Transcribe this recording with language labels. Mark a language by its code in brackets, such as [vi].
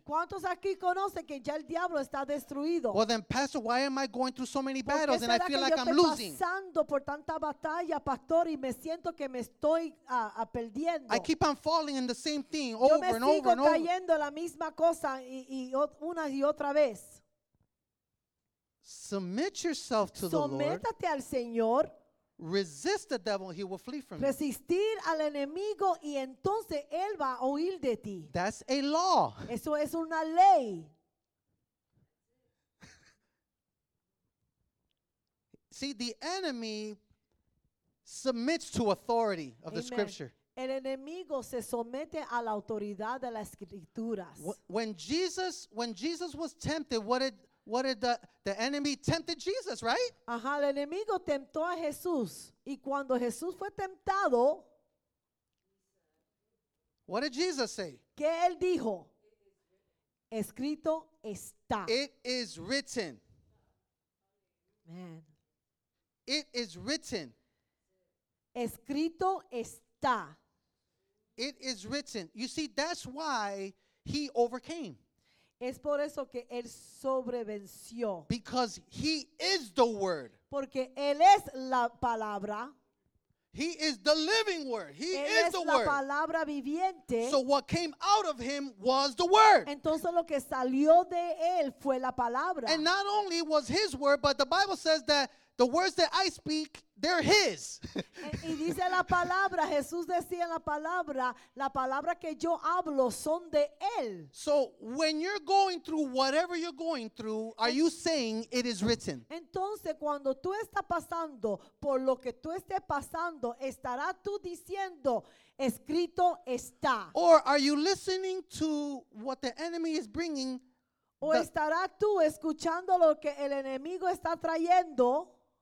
[es] ¿Cuántos aquí conocen que ya el diablo está destruido? [en] Well then, Pastor, why am I going through so many battles and I feel like I'm losing? [es] Pasando por tanta batalla, Pastor, y me siento que me estoy perdiendo. [en] I keep on falling in the same thing over and over and over. [es] Yo me sigo cayendo la misma cosa y una y otra vez. [en] Submit yourself to the Lord. [es] Sométate al Señor. [en] Resist the devil, he will flee from you. [es] Resistir al enemigo y entonces él va a huir de ti. [en] That's a law. [es] Eso es una ley. [en] See, the enemy submits to authority of Amen. The scripture. [es] El enemigo se somete a la autoridad de las escrituras. [en] When Jesus was tempted, what did the enemy tempted Jesus, right? [es] Ajá, el enemigo tentó a Jesús. Y cuando Jesús fue tentado, [en] what did Jesus say? [es] ¿Qué él dijo? Escrito está. [en] It is written. Man. It is written. [es] Escrito está. [en] It is written. You see, that's why he overcame. [es] Es por eso que él sobrevenció. [en] Because he is the word. [es] Porque él es la palabra. [en] He is the living word. He [es] él [en] is the word. [es] Él es la palabra viviente. [en] So what came out of him was the word. [es] Entonces lo que salió de él fue la palabra. [en] And not only was his word, but the Bible says that the words that I speak, they're his. [es] Y dice la palabra, Jesús decía la palabra que yo hablo son de él. [en] So when you're going through whatever you're going through, are you saying it is written? [es] Entonces cuando tú estás pasando por lo que tú estés pasando, ¿estarás tú diciendo escrito está? [en] Or are you listening to what the enemy is bringing? [es] ¿O estarás tú escuchando lo que el enemigo está trayendo?